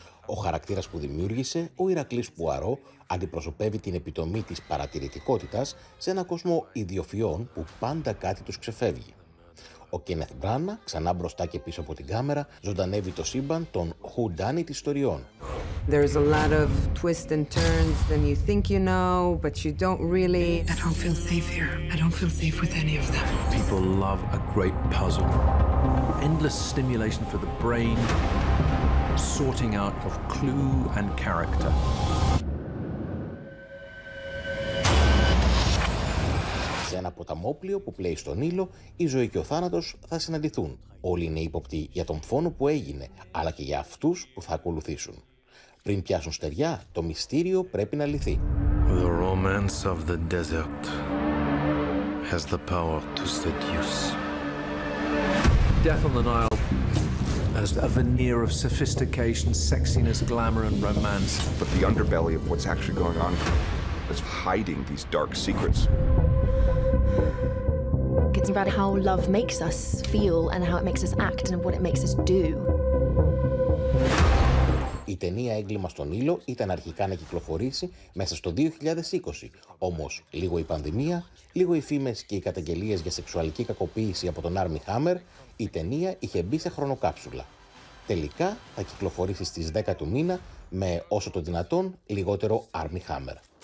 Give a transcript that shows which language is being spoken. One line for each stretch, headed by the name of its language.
Greek: Ο χαρακτήρας που δημιούργησε, ο Ηρακλής Πουαρό, αντιπροσωπεύει την επιτομή της παρατηρητικότητας σε ένα κόσμο ιδιοφυών που πάντα κάτι τους ξεφεύγει. Ο Κένεθ Μπράνα, ξανά μπροστά και πίσω από την κάμερα, ζωντανεύει το σύμπαν των whodunit ιστοριών.
English: There's a lot of twists and turns than you think you know, but you don't really. I don't feel safe here. I don't feel safe with any of them. People love a great puzzle. Endless stimulation for the brain, sorting out of clue and character.
Greek: Σε ένα ποταμόπλοιο που πλέει στον Νείλο, η ζωή και ο θάνατος θα συναντηθούν. Όλοι είναι ύποπτοι για τον φόνο που έγινε, αλλά και για αυτούς που θα ακολουθήσουν. Πριν πιάσουν στεριά, το μυστήριο πρέπει να λυθεί.
English: The romance of the desert has the power to seduce. Death on the Nile has a veneer of sophistication, sexiness, glamour and romance. But the underbelly of what's actually going on is hiding these dark secrets. It's about how love makes us feel and how it makes us act and what it makes us do.
Greek: Η ταινία «Έγκλημα στον Νείλο» ήταν αρχικά να κυκλοφορήσει μέσα στο 2020. Όμως, λίγο η πανδημία, λίγο οι φήμες και οι καταγγελίες για σεξουαλική κακοποίηση από τον Άρμι Χάμερ, η ταινία είχε μπει σε χρονοκάψουλα. Τελικά, θα κυκλοφορήσει στις 10 του μήνα, με όσο το δυνατόν, λιγότερο Άρμι Χάμερ.